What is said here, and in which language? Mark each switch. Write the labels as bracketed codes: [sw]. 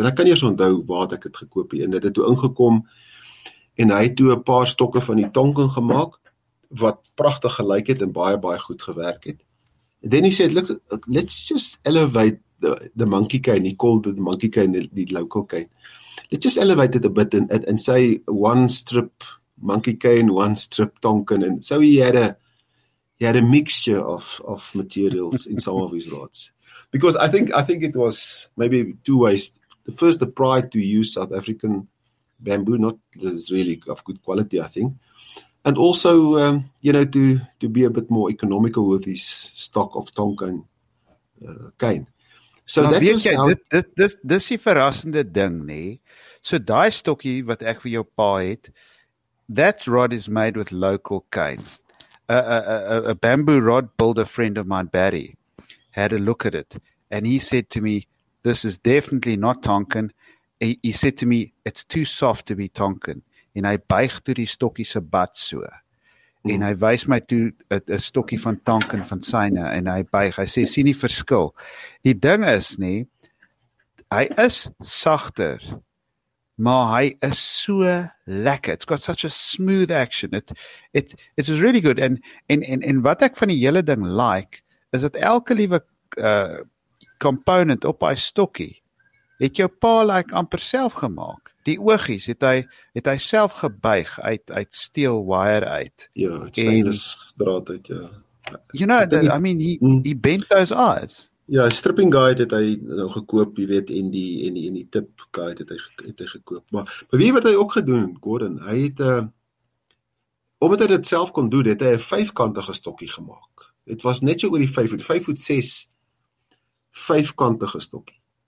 [af] En ek kan nie eens onthou waar ek dit gekoop het. En dit het toe ingekom en hy het toe 'n paar stokke van die tonken gemaak wat pragtig gelyk het en baie baie goed gewerk het. [en] And then he said, look, let's just elevate the monkey cane. He called it the monkey cane, the local cane. Let's just elevate it a bit and say one strip monkey cane, one strip tonken. And so he had a mixture of materials in some of his rods. Because I think it was maybe two ways. The first, the pride to use South African bamboo, not that it's really of good quality, I think. And also, you know, to be a bit more economical with his stock of tonken cane. [af] So maar [en] that is how... [af] Dis die verrassende ding, nee. So daai stokkie wat ek vir jou pa het, [en] that rod is made with local cane. A bamboo rod builder friend of mine, Barry, had a look at it. And he said to me, this is definitely not tonken. He said to me, it's too soft to be tonken. [af] En hy buig toe die stokkie se bad so. En hy wys my toe 'n stokkie van tanken van syne en hy buig. Hy sê sien die verskil. Die ding is nê, hy is sagter. Maar hy is so lekker. [en] It's got such a smooth action. It is really good. [af] En wat ek van die hele ding like, is dat elke liewe component op hy stokkie, het jou pa like amper self gemaak. Die oogies het hy self gebuig uit steel wire uit. Ja, stainless draad uit, ja. [en] You know, he bent those eyes. [af] Ja, stripping guide het hy nou gekoop, jy weet, en die tip guide het hy gekoop. Maar weet wat hy ook gedoen, Gordon? Hy het, omdat hy dit self kon doen, het hy 'n vijfkantige stokkie gemaak. Het was net so oor die 5'6", vijfkantige stokkie.